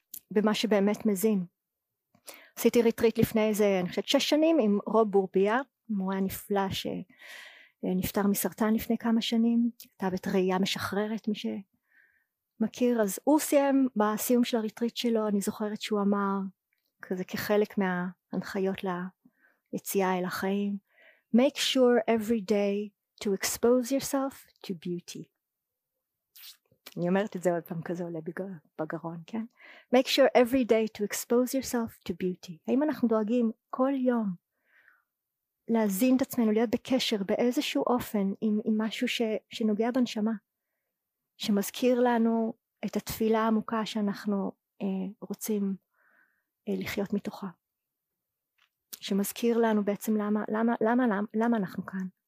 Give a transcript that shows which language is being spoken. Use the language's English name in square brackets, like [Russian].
[Hebrew] במה שבאמת מזין. עשיתי ריטריט לפני איזה, אני חושבת, 6 שנים עם רוב בורביה, מורה נפלא שנפטר מסרטן לפני כמה שנים, כתבת ראייה משחררת מי שמכיר, אז הוא סיים בסיום של הריטריט שלו, אני זוכרת שהוא אמר, כזה כחלק מההנחיות ליציאה אל החיים, [English] make sure every day to expose yourself to beauty. [Hebrew] אני אומרת את זה עוד פעם כזה עולה בגרון, כן? [English] Make sure every day to expose yourself to beauty. [Hebrew] האם אנחנו דואגים כל יום להזין את עצמנו, להיות בקשר באיזשהו אופן עם, עם משהו ש, שנוגע בנשמה, שמזכיר לנו את התפילה העמוקה שאנחנו רוצים לחיות מתוכה, שמזכיר לנו בעצם למה, למה, למה, למה, למה אנחנו כאן?